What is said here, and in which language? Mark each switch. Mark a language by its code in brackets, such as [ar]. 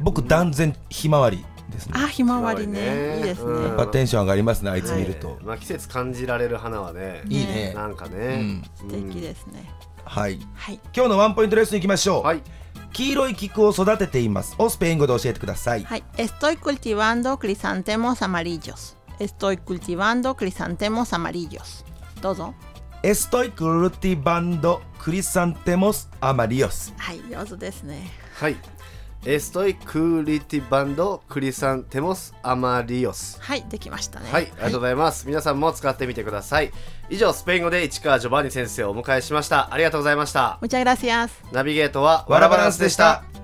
[ja] 僕断然ひまわりですね。あ、ひまわり ね、いいですね、うん、やっぱテンション上がりますね、あいつ見ると、はい。まあ、季節感じられる花はね、いいね、なんかね、うん、素敵ですね、はい、はい。今日のワンポイントレッスンいきましょう、はい。黄色い菊を育てていますをスペイン語で教えてください。 [es] はい、Estoy cultivando crisantemos amarillos. Estoy cultivando crisantemos amarillos. [ja] どうぞ。 [es] Estoy cultivando crisantemos amarillos. [ja] はい、上手ですね。 [es] はい、エストイクーリティバンドクリサンテモスアマリオス。 [ja] はい、できましたね。はい、ありがとうございます、はい、皆さんも使ってみてください。以上、スペイン語で市川ジョバンニ先生をお迎えしました。ありがとうございました。 [es] むちゃグラシアス。 [ja] ナビゲートはワラバランスでした。